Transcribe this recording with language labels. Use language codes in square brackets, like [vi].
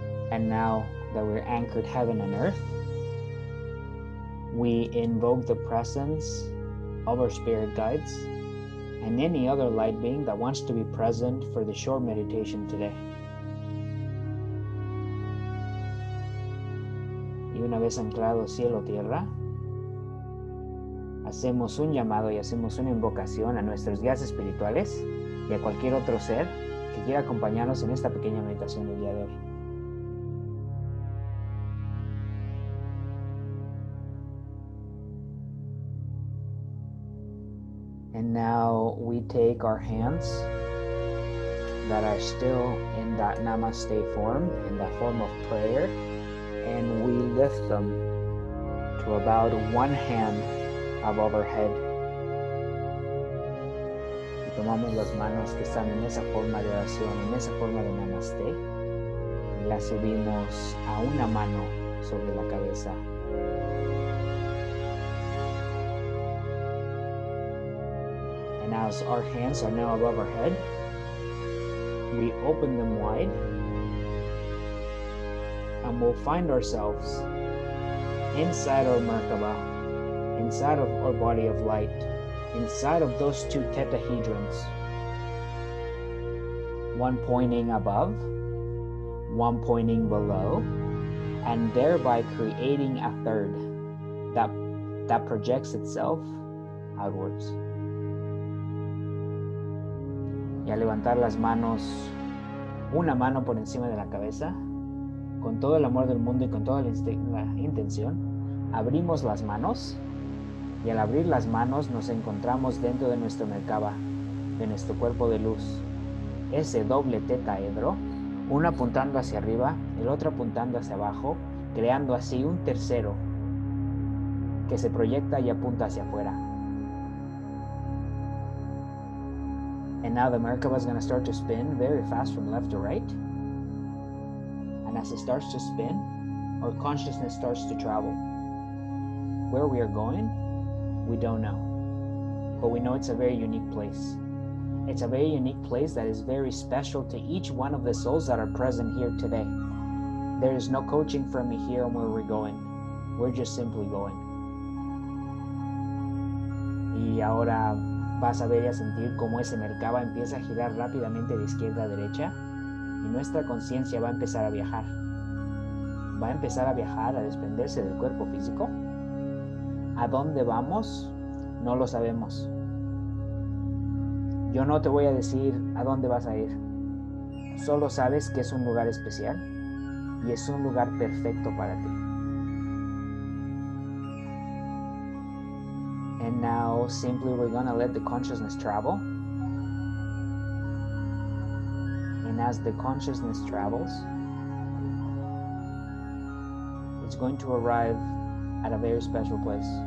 [en] And now that we're anchored heaven and earth, we invoke the presence of our spirit guides and any other light being that wants to be present for the short meditation today. [es] Y una vez anclado cielo tierra, hacemos un llamado y hacemos una invocación a nuestros guías espirituales y a cualquier otro ser que quiera acompañarnos en esta pequeña meditación del día de hoy. [en] Now we take our hands that are still in that namaste form, in that form of prayer, and we lift them to about one hand above our head. [es] Y tomamos las manos que están en esa forma de oración, en esa forma de namaste, y las subimos a una mano sobre la cabeza. [en] As our hands are now above our head, we open them wide and we'll find ourselves inside our Merkaba, inside of our body of light, inside of those two tetrahedrons, one pointing above, one pointing below, and thereby creating a third that projects itself outwards. [es] Y a levantar las manos, una mano por encima de la cabeza, con todo el amor del mundo y con toda la intención, abrimos las manos, y al abrir las manos nos encontramos dentro de nuestro Merkaba, de nuestro cuerpo de luz, ese doble tetraedro, uno apuntando hacia arriba, el otro apuntando hacia abajo, creando así un tercero que se proyecta y apunta hacia afuera. [en] And now the Merkaba is going to start to spin very fast from left to right. And as it starts to spin, our consciousness starts to travel. Where we are going, we don't know. But we know it's a very unique place. It's a very unique place that is very special to each one of the souls that are present here today. There is no coaching for me here on where we're going. We're just simply going. [es] Y ahora vas a ver y a sentir cómo ese Merkaba empieza a girar rápidamente de izquierda a derecha, y nuestra conciencia va a empezar a viajar. Va a empezar a viajar, a desprenderse del cuerpo físico. ¿A dónde vamos? No lo sabemos. Yo no te voy a decir a dónde vas a ir. Solo sabes que es un lugar especial y es un lugar perfecto para ti. [en] Now, simply we're gonna let the consciousness travel. And as the consciousness travels, it's going to arrive at a very special place.